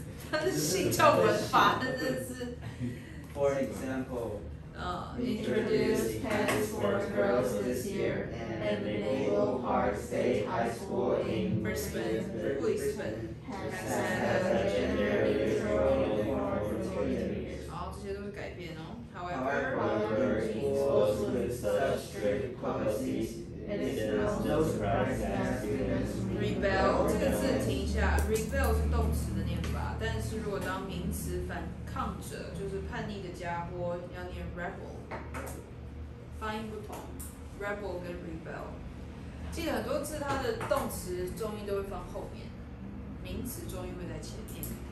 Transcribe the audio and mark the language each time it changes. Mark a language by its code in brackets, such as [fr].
[zh] 他的姓叫文法，那真的是。 [en] For example. Introduce pens for girls this year and enable Park State High School in Brisbane has had a gender neutral uniform for 2 years. However, schools with such strict policies, it is no surprise that students rebel. [zh] 这个字停一下 ，rebel 是动词的念法，但是如果当名词反。抗者就是叛逆的家伙，要念 rebel， 发音不同 ，rebel 跟 rebel。记得很多字，它的动词重音都会放后面，名词重音会在前面。